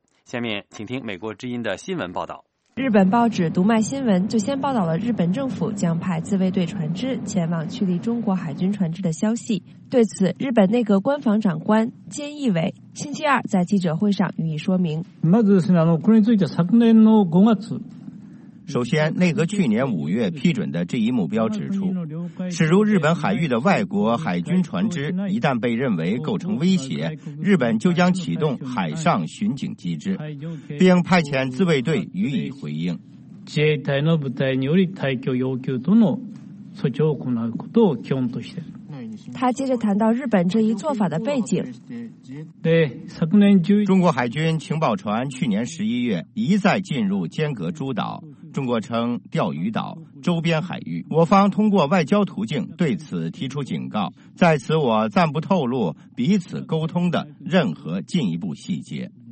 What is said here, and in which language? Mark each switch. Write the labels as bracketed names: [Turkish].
[Chinese] 下面请听美国之音的新闻报道。日本报纸读卖新闻就先报道了日本政府将派自卫队船只前往驱离中国海军船只的消息。对此，日本内阁官房长官菅义伟星期二在记者会上予以说明。 [Japanese] まずですね、これについて昨年の5月。 [Chinese] 首先，内阁去年5月批准的这一目标指出，驶入日本海域的外国海军船只一旦被认为构成威胁，日本就将启动海上巡警机制，并派遣自卫队予以回应。 [Japanese] 自衛隊の部隊により退去要求との措置を行うことを基本として。 [Chinese] 他接着谈到日本这一做法的背景。中国海军情报船去年11月一再进入尖阁诸岛，中国称钓鱼岛周边海域，我方通过外交途径对此提出警告，在此我暂不透露彼此沟通的任何进一步细节。